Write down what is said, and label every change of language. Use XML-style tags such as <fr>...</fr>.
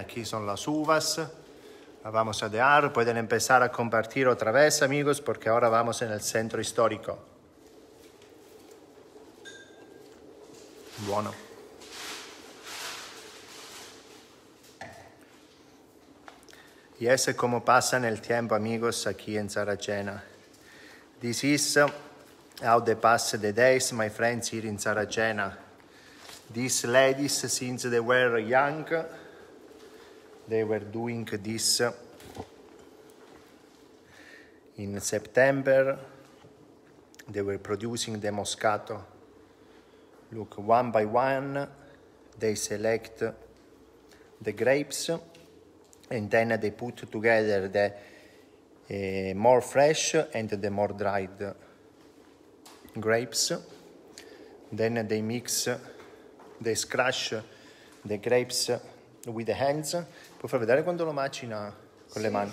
<es>Aquí son las uvas. La vamos a dejar. Pueden empezar a compartir otra vez, amigos, porque ahora vamos en el centro histórico. Bueno. Y es como pasa el tiempo, amigos, aquí en Saracena.</es> <en>This is how they pass the days, my friends, here in Saracena. These ladies, since they were young, they were doing this in September. They were producing the Moscato. Look, one by one, they select the grapes. And then they put together the more fresh and the more dried grapes. Then they mix, they scratch the grapes with the hands.</en> <it>Puoi far vedere quando lo macina con le mani?</it>